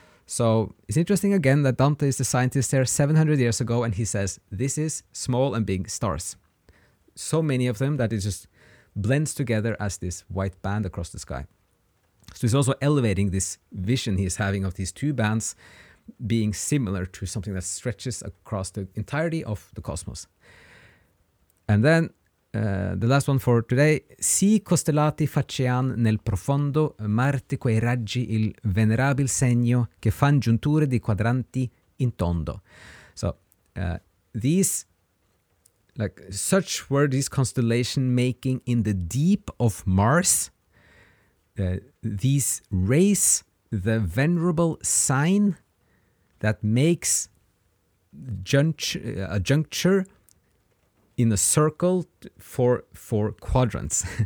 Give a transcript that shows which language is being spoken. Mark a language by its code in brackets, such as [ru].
[en] So it's interesting again that Dante is the scientist there 700 years ago, and he says this is small and big stars, so many of them that it just blends together as this white band across the sky. So he's also elevating this vision he's having of these two bands being similar to something that stretches across the entirety of the cosmos. And then the last one for today. [it] Si costellati facean nel profondo Marte quei raggi il venerabile segno che fan giunture di quadranti in tondo. [en] So these, like, such were these constellation making in the deep of Mars. These rays, the venerable sign that makes a juncture in a circle for quadrants.